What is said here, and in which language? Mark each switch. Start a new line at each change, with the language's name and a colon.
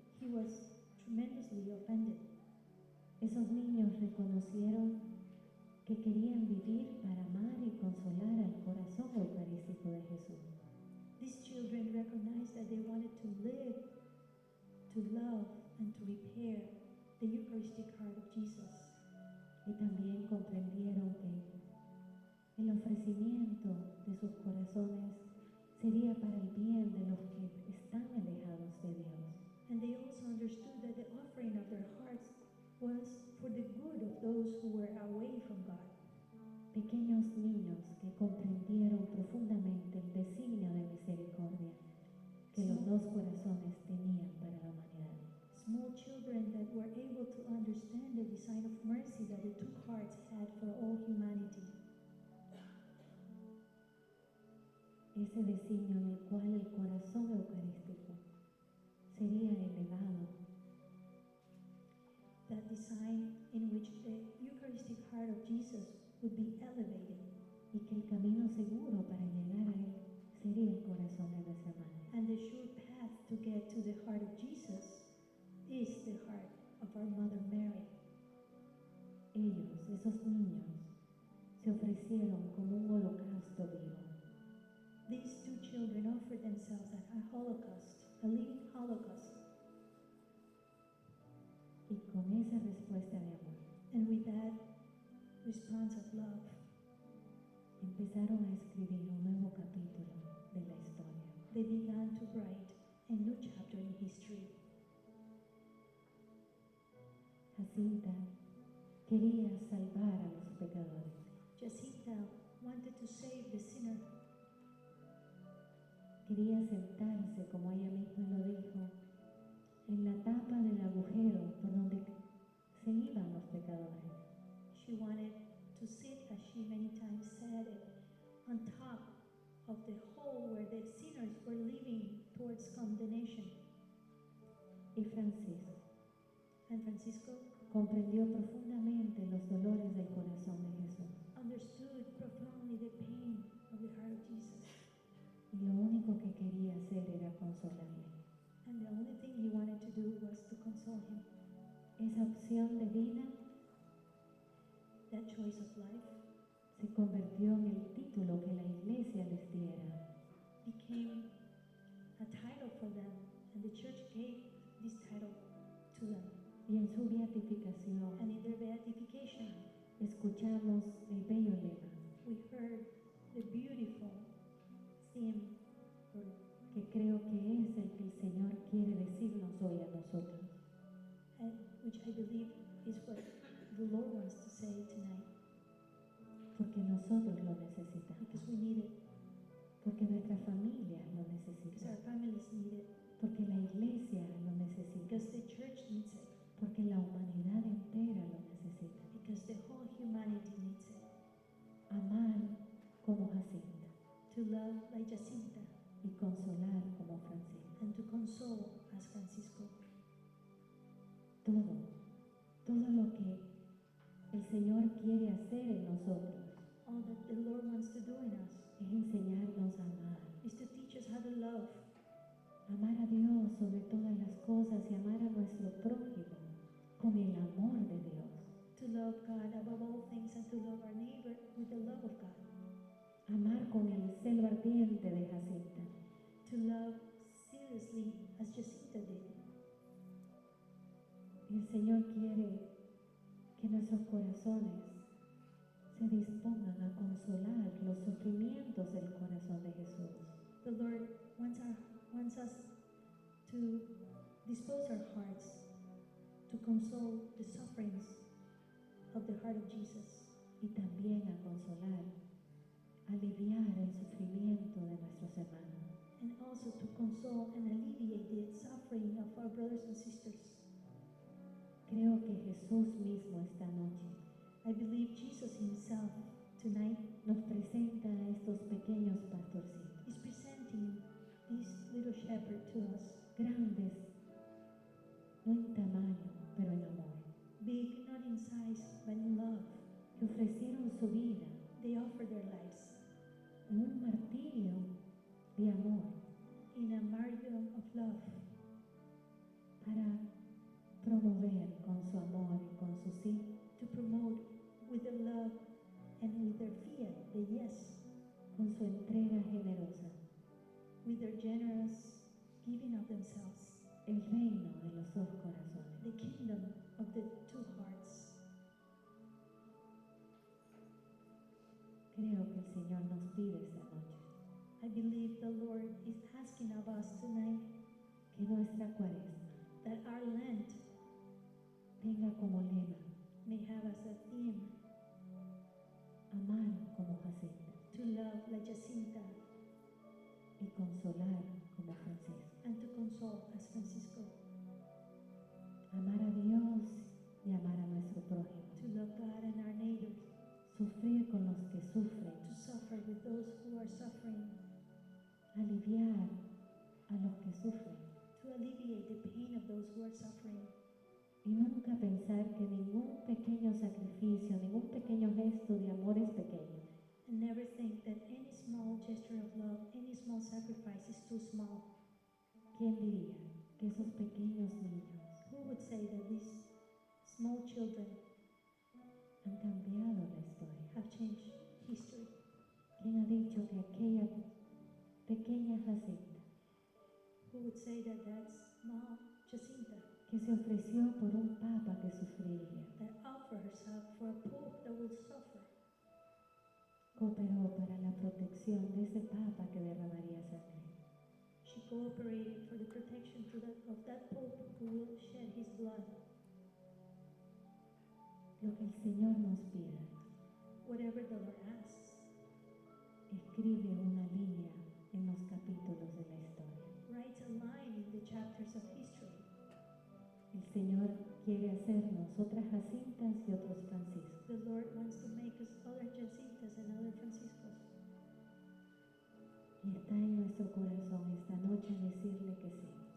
English: He was tremendously offended.
Spanish: Esos niños reconocieron que querían vivir para amar y consolar al corazón eucarístico de Jesús.
English: These children recognized that they wanted to live, to love, and to repair the Eucharistic heart of Jesus.
Spanish: Y también comprendieron que El ofrecimiento de sus corazones sería para el bien de los que están alejados de Dios.
English: And they also understood that the offering of their hearts was for the good of those who were away from God.
Spanish: Pequeños niños que comprendieron profundamente el designio de misericordia que los dos corazones tenían para la humanidad.
English: Small children that were able to understand the design of mercy that the two hearts had for all humanity.
Spanish: Ese designio en el cual el corazón eucarístico sería elevado.
English: That design in which the Eucharistic heart of Jesus would be elevated.
Spanish: Y que el camino seguro para llegar a él sería el corazón de nuestra madre.
English: And the sure path to get to the heart of Jesus is the heart of our Mother Mary.
Spanish: Ellos, esos niños, se ofrecieron como un holocausto vivo.
English: These two children offered themselves as a holocaust, a living holocaust.
Spanish: Y con esa respuesta de amor,
English: and with that response of love,
Spanish: empezaron a escribir un nuevo capítulo de la historia.
English: They began to write a new chapter in history.
Spanish: Jacinta quería salvar a los pecadores.
English: Jacinta wanted to save the sinner.
Spanish: Quería sentarse, como ella misma lo dijo, en la tapa del agujero por donde se iban los pecadores.
English: She wanted to sit, as she many times said it, on top of the hole where the sinners were leaving towards condemnation.
Spanish: Y Francisco.
English: And Francisco
Spanish: comprendió profundamente los dolores del corazón de Jesús.
English: Understood profoundly the pain of the heart of Jesus.
Spanish: Y lo único que quería hacer era consolarle.
English: And the only thing he wanted to do was to console him.
Spanish: Esa opción de vida,
English: that choice of life,
Spanish: se convirtió en el título que la iglesia les diera.
English: Became a title for them, and the church gave this title to them.
Spanish: Y en su beatificación,
English: and in their beatification,
Spanish: escuchamos el bello lema.
English: We heard the beautiful theme,
Spanish: que creo que es el que el Señor quiere decirnos hoy a nosotros.
English: And which I believe is what the Lord wants to say tonight.
Spanish: Porque nosotros lo necesitamos.
English: Because we need it.
Spanish: Porque nuestra familia lo necesita.
English: Because our families need it.
Spanish: Porque la iglesia lo necesita.
English: Because the church needs it.
Spanish: Porque la humanidad entera lo necesita.
English: Because the whole humanity needs it.
Spanish: Amar como Jacinta.
English: To love like Jacinta.
Spanish: Y consolar como Francisco.
English: And to console as Francisco.
Spanish: Todo lo que el Señor quiere hacer en nosotros,
English: all that the Lord wants to do in us,
Spanish: es enseñarnos a amar.
English: Is to teach us how to love.
Spanish: Amar a Dios sobre todas las cosas y amar a nuestro prójimo con el amor de Dios.
English: To love God above all things and to love our neighbor with the love of God.
Spanish: Amar con el celo ardiente de Jacinta.
English: To love seriously as Jacinta did.
Spanish: El Señor quiere que nuestros corazones se dispongan a consolar los sufrimientos del corazón de Jesús.
English: The Lord wants us to dispose our hearts to console the sufferings of the heart of Jesus.
Spanish: Y también a consolar, aliviar el sufrimiento de nuestros hermanos.
English: And also to console and alleviate the suffering of our brothers and sisters.
Spanish: Creo que Jesús mismo esta noche,
English: I believe Jesus himself tonight,
Spanish: nos presenta a estos pequeños pastorcitos.
English: Is presenting this little shepherd to us.
Spanish: Grandes, no en tamaño, pero en amor.
English: Big, not in size, but in love.
Spanish: Que ofrecieron su vida.
English: They offered their lives.
Spanish: En un martirio de amor.
English: In a martyrdom of love.
Spanish: Para promover con su amor y con su sí.
English: To promote with their love and with their fiat, the yes.
Spanish: Con su entrega generosa.
English: With their generous giving of themselves.
Spanish: El reino de los dos corazones.
English: The kingdom of the two hearts.
Spanish: Creo que nos pide esta noche.
English: I believe the Lord is asking of us tonight
Spanish: que nuestra cuaresma,
English: that our Lent,
Spanish: tenga como lema,
English: may have as a theme,
Spanish: amar como Jacinta,
English: to love like Jacinta,
Spanish: y consolar como Francisco,
English: and to console as Francisco,
Spanish: amar a Dios y amar a nuestro prójimo,
English: to love God and our neighbors,
Spanish: sufrir con los que sufren,
English: to suffer with those who are suffering,
Spanish: aliviar a los que sufren,
English: to alleviate the pain of those who are suffering,
Spanish: y nunca pensar que ningún pequeño sacrificio, ningún pequeño gesto de amor es pequeño.
English: And never think that any small gesture of love, any small sacrifice is too small.
Spanish: ¿Quién diría que esos pequeños niños,
English: who would say that these small children,
Spanish: han cambiado la historia,
English: have changed history?
Spanish: ¿Quién ha dicho que aquella pequeña Jacinta,
English: who would say that that small Jacinta,
Spanish: que se ofreció por un papa que sufriría,
English: that offered herself for a pope that would suffer,
Spanish: cooperó para la protección de ese papa que derramaría sangre?
English: She cooperated for the protection of that pope who will shed his blood.
Spanish: Lo que el Señor nos pide,
English: whatever the Lord asks,
Spanish: escribe una línea en los capítulos de la historia,
English: writes a line in the chapters of history.
Spanish: El Señor quiere hacernos otras Jacintas y otros Franciscos.
English: The Lord wants to make us other Jacintas and other Franciscos.
Spanish: Y está en nuestro corazón esta noche decirle que sí.